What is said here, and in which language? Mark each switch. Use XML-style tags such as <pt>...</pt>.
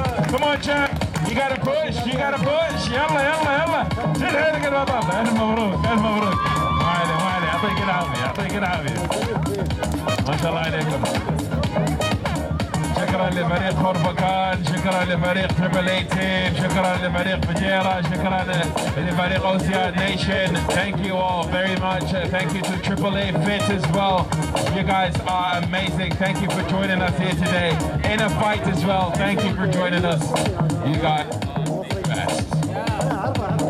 <en>Come on champ, you gotta push, you gotta push.</en> <ar>يلا يلا يلا شد حيلك البطل. ألف مبروك ألف مبروك. يعطيك العافية يعطيك العافية، ما شاء الله عليكم. شكرا لفريق خربكان، شكرا لفريق تريبل اي تيم، شكرا لفريق فجيرة، شكرا لفريق اوسيان نيشن.</ar> <en>Thank you all very much. Thank you to Triple A Fit as well. You guys are amazing. Thank you for joining us here today. In a fight as well. Thank you for joining us. You guys are the best.</en>